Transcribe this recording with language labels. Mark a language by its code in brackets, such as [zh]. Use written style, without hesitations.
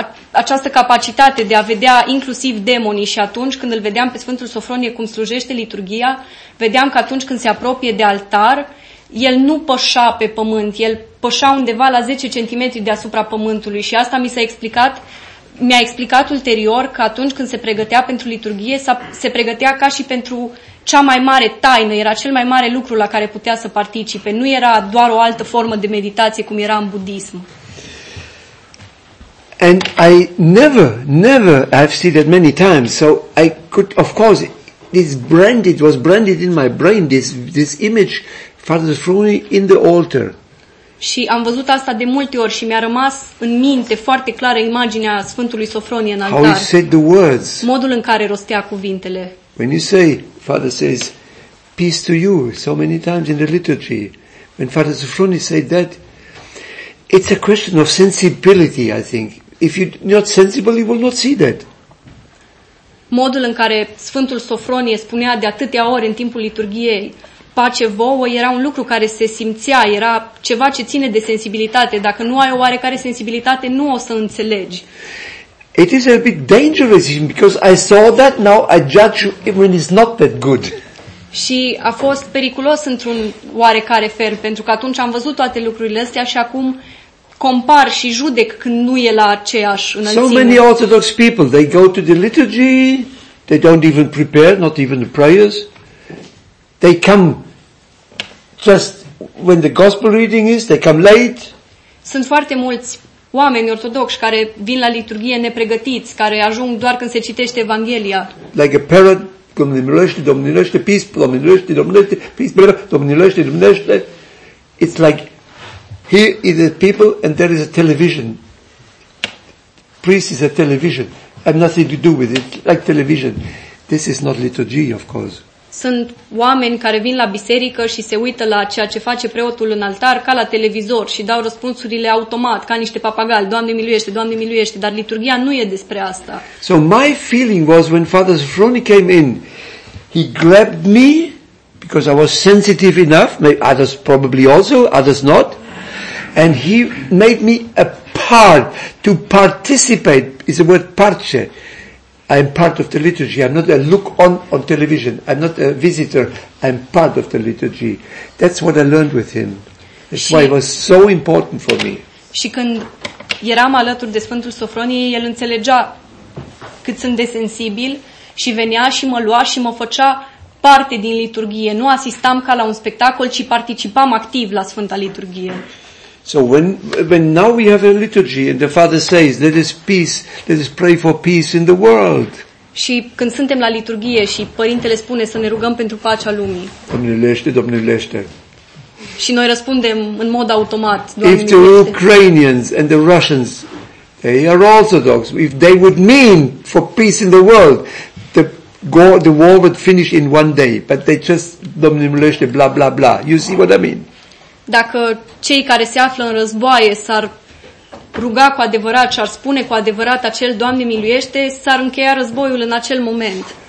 [ro] această capacitate de a vedea inclusiv demonii și atunci când îl vedeam pe Sfântul Sofronie cum slujește liturghia, vedeam că atunci când se apropie de altar, el nu pășa pe pământ, el pășa undeva la 10 cm deasupra pământului și asta mi-a explicat ulterior că atunci când se pregătea pentru liturghie, se pregătea ca și pentru cea mai mare taină, era cel mai mare lucru la care putea să participe, nu era doar o altă formă de meditație cum era în budism. [en] And I never I've seen it many times, so I could, of course, it was branded in my brain, this image, Father Sofronie in the altar. [ro] Și am văzut asta de multe ori și mi-a rămas în minte foarte clară imaginea Sfântului Sofronie în altar. [en] How he said the words. [ro] Modul în care rostea cuvintele. [en] When you say, Father says, peace to you, so many times in the liturgy, when Father Sofronie said that, it's a question of sensibility, I think. If you're not sensible, you will not see that. [ro] Modul în care Sfântul Sofronie spunea de atâtea ori în timpul liturghiei, pace vouă, era un lucru care se simțea, era ceva ce ține de sensibilitate. Dacă nu ai o oarecare sensibilitate, nu o să înțelegi. [en] It is a bit dangerous because I saw that, now I judge you even it's not that good. [ro] Și a fost periculos într-un oarecare fel, pentru că atunci am văzut toate lucrurile astea și acum compar și judec când nu e la aceeași înălțime. [en] So many Orthodox people, they go to the liturgy, they don't even prepare, not even the prayers. They come just when the gospel reading is, they come late. [ro] Sunt foarte mulți oameni ortodoxi care vin la liturghie nepregătiți, care ajung doar când se citește Evanghelia. [en] Like a parrot, [ro] domnilește, domnilește, [en] peace, [ro] domnilește, domnilește, [en] peace, [ro] domnilește, domnilește. [en] It's like here is a people and there is a television. Priest is a television. I have nothing to do with it. Like television. This is not liturgy, of course. [ro] Sunt oameni care vin la biserică și se uită la ceea ce face preotul în altar ca la televizor și dau răspunsurile automat, ca niște papagali. Doamne miluiește, Doamne miluiește, dar liturgia nu e despre asta. [en] So my feeling was when Father Sofronie came in, he grabbed me because I was sensitive enough, maybe others probably also, others not, and he made me a part to participate, is the word parce. I'm part of the liturgy. I'm not a look on television. I'm not a visitor. I'm part of the liturgy. That's what I learned with him. That's why it was so important for me. [ro] Și când eram alături de Sfântul Sofronie, el înțelegea cât sunt de sensibil și venea și mă lua și mă făcea parte din liturgie. Nu asistam ca la un spectacol, ci participam activ la Sfânta Liturghie. [en] So when now we have a liturgy and the Father says, let us peace, let us pray for peace in the world. [ro] Și când suntem la liturghie și părintele spune să ne rugăm pentru pacea lumii. Domnilește, domnilește. Și noi răspundem în mod automat. [en] If the Ukrainians and the Russians, they are Orthodox. If they would mean for peace in the world, the war would finish in one day. But they just domnilește, blah blah blah. You see what I mean? [ro] Dacă cei care se află în războaie s-ar ruga cu adevărat și ar spune cu adevărat acel Doamne miluiește, s-ar încheia războiul în acel moment.